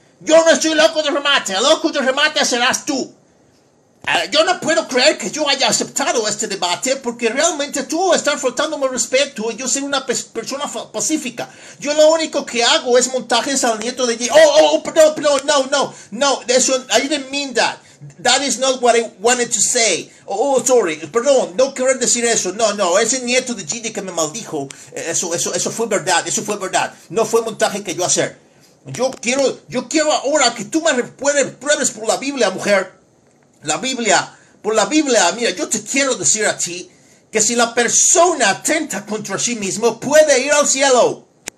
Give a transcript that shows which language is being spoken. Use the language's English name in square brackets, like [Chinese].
[Spanish] Yo no estoy loco de remate. El loco de remate serás tú. Yo no puedo creer que yo haya aceptado este debate porque realmente tú estás faltándome respeto y yo soy una persona pacífica. Yo lo único que hago es montajes al nieto de... No. Eso, [English] I didn't mean that. That is not what I wanted to say. [Spanish] No quiero decir eso. No. Ese nieto de Gigi que me maldijo, eso fue verdad. Eso fue verdad. No fue montaje que yo hacer. Yo quiero ahora que tú me pruebes por la Biblia, mujer. La Biblia, por la Biblia, mira, yo te quiero decir a ti que si la persona atenta contra sí mismo puede ir al cielo.